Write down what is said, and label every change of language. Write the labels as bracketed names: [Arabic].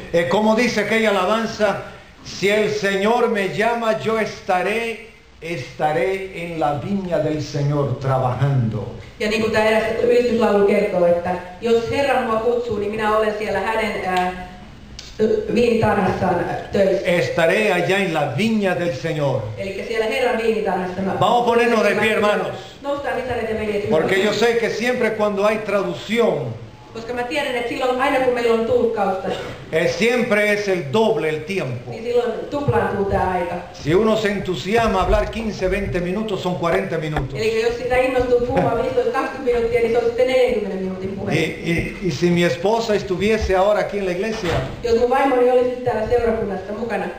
[Spanish] Como dice aquella alabanza, si el Señor me llama, yo estaré en la viña del Señor trabajando. [Finnish] Ja niin kuin tämä eräs ylistyslaulu kertoo, että jos Herra mua kutsuu, niin minä olen siellä hänen viinitarhassaan töissä. [Spanish] Estaré allá en la viña del Señor. [Finnish] Eli siellä Herran viinitarhassa. [Spanish] Vamos a ponernos de pie, hermanos. [Finnish] Nostaa visareet ja veljet. [Spanish] Porque yo sé que siempre cuando hay traducción. [Finnish] Koska mä tiedän, että silloin aina kun meillä on tulkkausta. [Spanish] Siempre es el doble el tiempo. [Finnish] Niin silloin tuplaantuu tämä aika. [Spanish] Si uno se entusiasma a hablar 15-20 minutos, son 40 minutos. [Finnish] Eli jos sitä innostuu puhumaan 15-20 minuuttia, niin se on sitten 40 minuutin puhe. [Spanish] Y si mi esposa estuviese ahora aquí en la iglesia. [Finnish] Jos mun vaimoni olisi täällä seurakunnassa mukana.